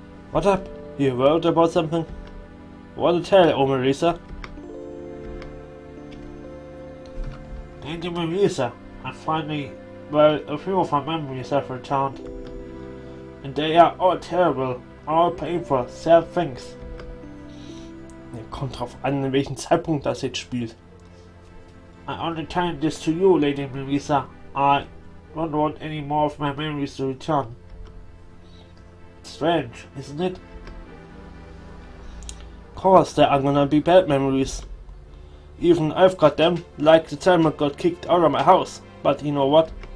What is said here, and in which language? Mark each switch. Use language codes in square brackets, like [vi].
[en] What up? You worried about something? What the hell, O Marisa? Thank you, Marisa. I finally, well, a few of my memories have returned. And they are all terrible, all painful, sad things. [de] Ja, kommt drauf an, in welchem Zeitpunkt das jetzt spielt. [en] I only turned this to you, Lady Marisa. I don't want any more of my memories to return. Strange, isn't it? Of course, there are gonna be bad memories. Even I've got them, like the time I got kicked out of my house. But you know what?